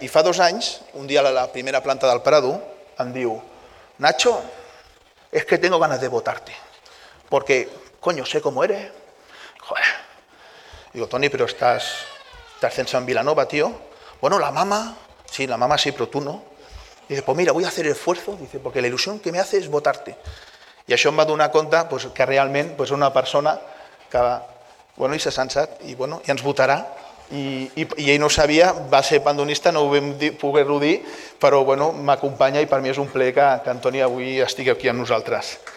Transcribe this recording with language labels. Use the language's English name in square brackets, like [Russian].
[Catalan] I fa 2 anys, un dia a la primera planta del Prado, em diu, Nacho, [Spanish] es que tengo ganas de votarte, porque... coño, sé cómo eres. Joder. Digo, [Catalan] Toni, però estàs censat en Vilanova, tío. Bueno, la mama, sí, la mama sí, però tu no. [Spanish] Dice, pues mira, voy a hacer el esfuerzo, dice, porque la ilusión que me hace es votarte. [Catalan] I això em va donar compte pues, que realment pues, una persona que, bueno, i s'ha censat i, bueno, i ens votarà. I ell no sabia, va ser pandonista, no ho vam poder-ho dir, però bueno, m'acompanya i per mi és un plaer que en Toni avui estigui aquí amb nosaltres.